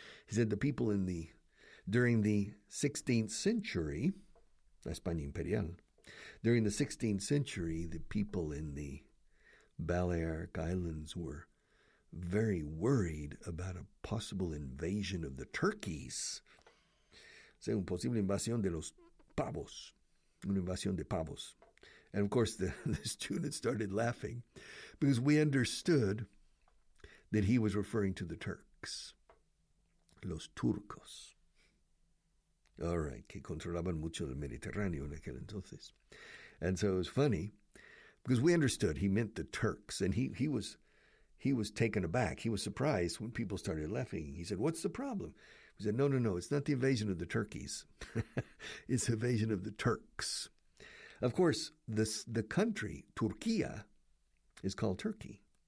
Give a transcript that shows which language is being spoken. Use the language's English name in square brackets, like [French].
[English] He said the people in the, during the 16th century, La España Imperial, during the 16th century, the people in the Balearic Islands were very worried about a possible invasion of the turkeys. [Spanish] Un posible invasión de los pavos, una invasión de pavos. [English] And of course, the student started laughing because we understood that he was referring to the Turks, los turcos. [Spanish] All right, que controlaban mucho el Mediterráneo en aquel entonces. [English] And so it was funny because we understood he meant the Turks, and he was taken aback. He was surprised when people started laughing. He said, "What's the problem?" He said, "No, no, no, it's not the invasion of the turkeys. It's the invasion of the Turks." Of course, the country, Turquía, is called Turkey.